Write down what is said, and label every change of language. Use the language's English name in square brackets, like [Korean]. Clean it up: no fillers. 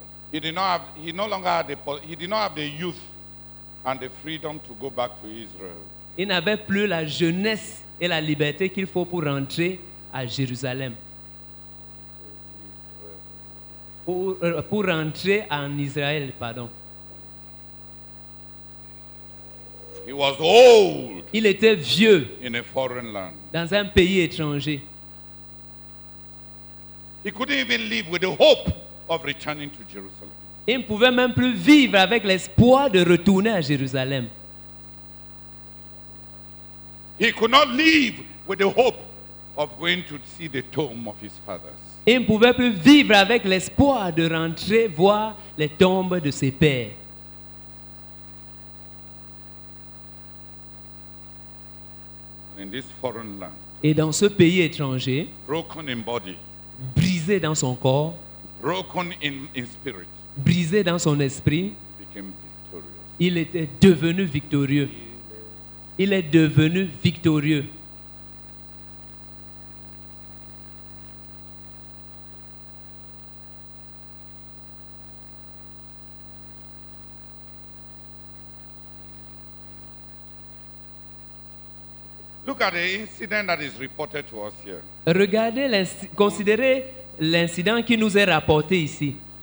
[English] He did not have, he no longer had the, he did not have the youth and the freedom to go back to Israel. [French] Il n'avait plus la jeunesse et la liberté qu'il faut pour rentrer à Jérusalem. Pour rentrer en Israël, pardon. [English] He was old. [French] Il était vieux. [English] In a foreign land. [French] Dans un pays étranger. [English] He couldn't even live with the hope of returning to Jerusalem. [French] Il ne pouvait même plus vivre avec l'espoir de retourner à Jérusalem. [English] He could not live with the hope of going to see the tomb of his fathers. [French] Il ne pouvait plus vivre avec l'espoir de rentrer voir les tombes de ses pères. [English] In this foreign land. [French] Et dans ce pays étranger. [English] Broken in body. [French] Brisé dans son corps. [English] Broken in spirit. [French] Brisé dans son esprit. Il était devenu victorieux. Il est devenu victorieux. [English] Look at the incident that is reported to us here. [French] Regardez, considérez l'incident qui nous est rapporté ici.